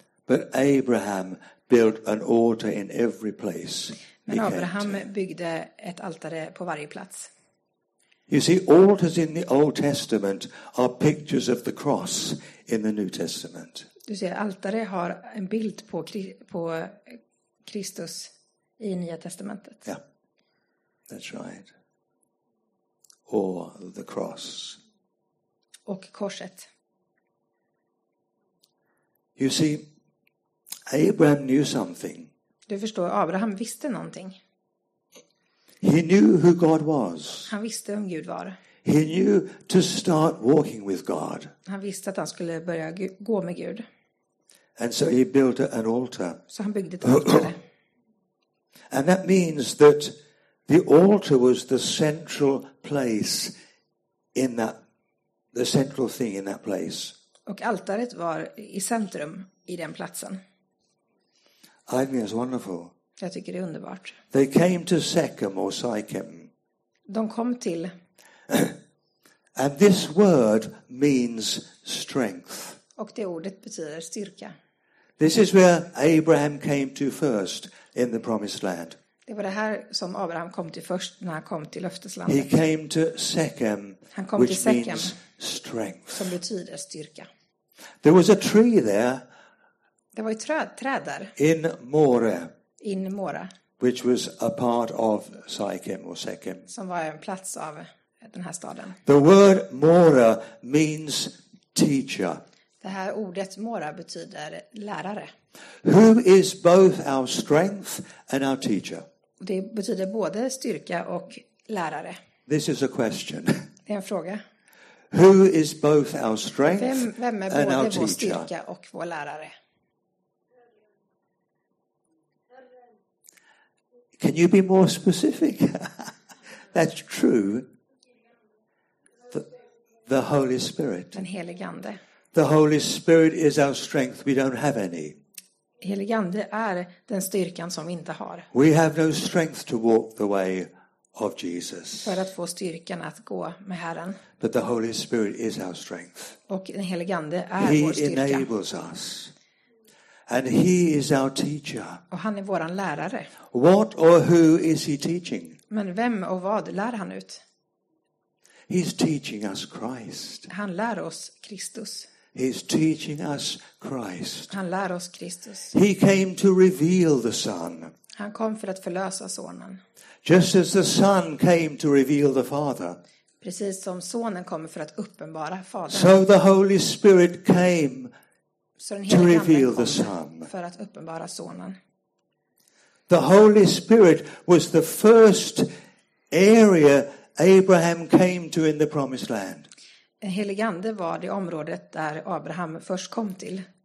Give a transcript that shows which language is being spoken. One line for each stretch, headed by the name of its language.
English: But Abraham built an altar in every place.
Swedish: Men Abraham byggde ett altare på varje plats.
English: You see, altars in the Old Testament are pictures of the cross in the New Testament.
Swedish: Du ser, altare har en bild på Kristus i Nya testamentet.
English: Yeah, that's right. Or the cross.
Swedish: Och korset.
English: You see, Abraham knew something.
Swedish: Du förstår, Abraham visste någonting.
English: He knew who God was.
Swedish: Han visste vem Gud var.
English: He knew to start walking with God.
Swedish: Han visste att han skulle börja gå med Gud.
English: And so he built an altar.
Swedish: Så han byggde ett altare.
English: And that means that the altar was the central place in that, the central thing in that place.
Swedish: Och altaret var i centrum i den platsen.
English: I think it's wonderful.
Swedish: Jag tycker det är underbart.
English: They came to Shechem or Sychem.
Swedish: De kom till.
English: And this word means strength.
Swedish: Och det ordet betyder styrka.
English: This is where Abraham came to first in the promised land.
Swedish: Det var det här som Abraham kom till först när han kom till löfteslandet.
English: He came to Shechem,
Swedish: han kom
English: which
Swedish: till Shechem,
English: means strength.
Swedish: Som betyder styrka.
English: There was a tree there.
Swedish: Det var ett träd där.
English: In More.
Swedish: In More.
English: Which was a part of Sychem or Shechem.
Swedish: Som var en plats av den här staden.
English: The word More means teacher.
Swedish: Det här ordet More betyder lärare.
English: Who is both our strength and our teacher?
Swedish: Det betyder både styrka och lärare.
English: This is a question.
Swedish: Det är en fråga.
English: Who is both our strength and our teacher?
Swedish: Vem är både vår styrka och vår lärare?
English: Can you be more specific? That's true. The Holy Spirit.
Swedish: Den helige ande.
English: The Holy Spirit is our strength. We don't have any.
Swedish: Helige ande är den styrkan som vi inte har.
English: We have no strength to walk the way of Jesus.
Swedish: För att få styrkan att gå med Herren.
English: But the Holy Spirit is our strength.
Swedish: Och den helige ande är
English: he
Swedish: vår styrka.
English: He enables us. And he is our teacher.
Swedish: Och han är våran lärare.
English: What or who is he teaching?
Swedish: Men vem och vad lär han ut?
English: He's teaching us Christ.
Swedish: Han lär oss Kristus.
English: He's teaching us Christ.
Swedish: Han lär oss Kristus.
English: He came to reveal the Son.
Swedish: Han kom för att förlösa sonen.
English: Just as the Son came to reveal the Father.
Swedish: Precis som sonen kommer för att uppenbara Fadern.
English: So the Holy Spirit came to reveal the Son.
Swedish: För att uppenbara sonen.
English: The Holy Spirit was the first area Abraham came to in the promised land.
Swedish: Den helige ande var det området där Abraham först kom till.